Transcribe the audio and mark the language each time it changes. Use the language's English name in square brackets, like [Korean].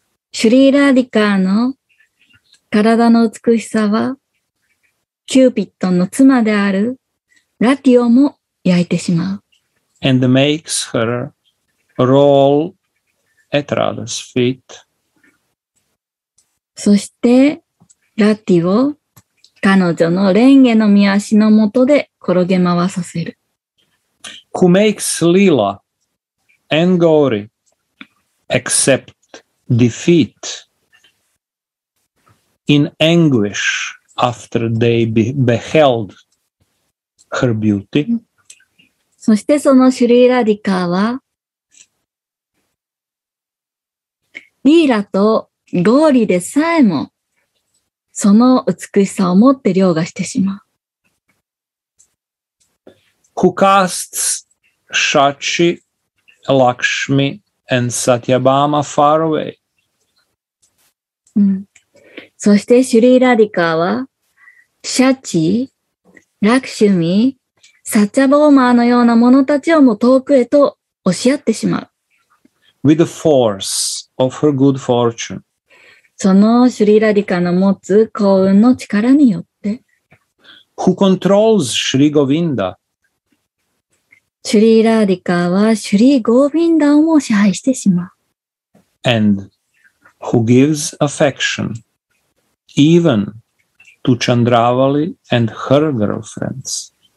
[Japanese] シュリー・ラーディカーの体の美しさはキューピッドの妻であるラティオも焼いてしまう。 [English] And makes her roll at Radha's feet. [Japanese] そしてラティを彼女のレンゲの御足のもとで転げ回させる。 [English] Who makes Leela and Gauri accept defeat in anguish after they beheld her beauty? [Japanese] そしてそのシュリー・ラディカーは、リーラとゴーリでさえも、その美しさをもって凌駕してしまう。 [English] Who casts Shachi, Lakshmi, and Satyabhama far away?、 [Japanese] そしてシュリー・ラディカーは、シャチ、ラクシュミ、サチャボーマーのようなものたちをも遠くへと押し合ってしまう。 [English] With the force of her good fortune. [Japanese] そのシュリー・ラディカの持つ幸運の力によって。 [English] Who controls シュリー・ゴヴィンダ。 [Japanese] シュリー・ラディカはシュリー・ゴヴィンダをも支配してしまう。 [English] And who gives affection even to Chandravali and her girlfriends.